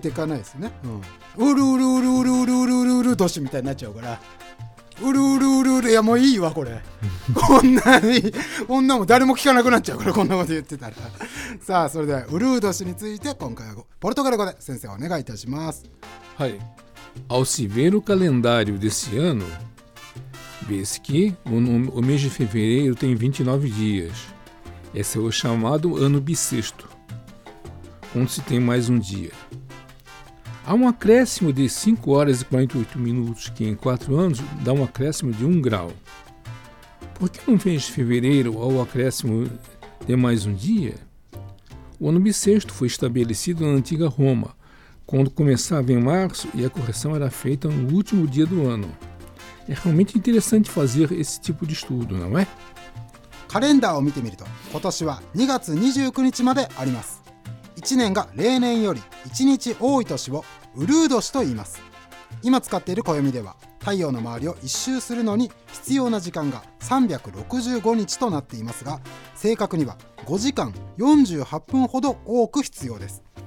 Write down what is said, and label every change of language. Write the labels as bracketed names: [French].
[Japanese] 増えていかないですね、うん、ウルウルウルウルウルウルウルウル年みたいになっちゃうから、ウルウルウルウル、いやもういいわこれこんなに、こんなも誰も聞かなくなっちゃうからこんなこと言ってたらさあそれではウルウド氏について今回はポルトガル語で先生お願いいたします。はい、 [Portuguese] ao se ver o calendário desse ano vê-se que o mês de fevereiro tem 29 diasEsse é o chamado ano bissexto, onde se tem mais um dia. Há um acréscimo de 5 horas e 48 minutos, que em 4 anos dá um acréscimo de 1 grau. Por que no mês de fevereiro há o acréscimo de mais um dia? O ano bissexto foi estabelecido na antiga Roma, quando começava em março e a correção era feita no último dia do ano. É realmente interessante fazer esse tipo de estudo, não é? [Japanese] カレンダーを見てみると、今年は2月29日まであります。 1年が例年より1日多い年をウルード年と言います。今使っている暦では、太陽の周りを1周するのに必要な時間が365日となっていますが、正確には5時間48分ほど多く必要です。